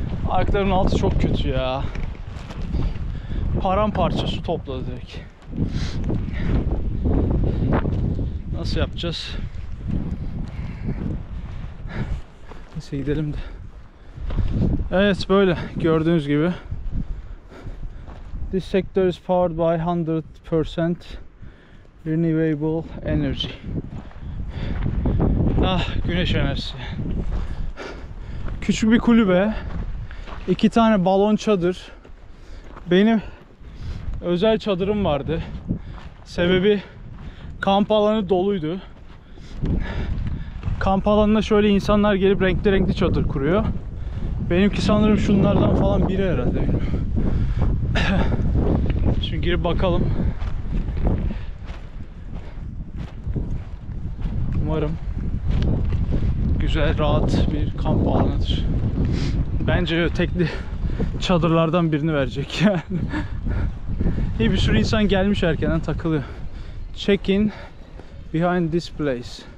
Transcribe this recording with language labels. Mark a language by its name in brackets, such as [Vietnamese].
[Turkish] Ayakların altı çok kötü ya. Paramparça su topladı direkt. Nasıl yapacağız? Neyse gidelim de. Evet böyle gördüğünüz gibi. [English] This sector is powered by 100% renewable energy. [Turkish] Ah güneş enerjisi. Küçük bir kulübe. İki tane balon çadır. Benim özel çadırım vardı. Sebebi kamp alanı doluydu. Kamp alanına şöyle insanlar gelip renkli renkli çadır kuruyor. Benimki sanırım şunlardan falan biri herhalde. Şimdi girip bakalım. Umarım güzel, rahat bir kamp alanıdır. Bence tekli çadırlardan birini verecek yani. Bir sürü insan gelmiş erkenden takılıyor. [English] Check in behind this place.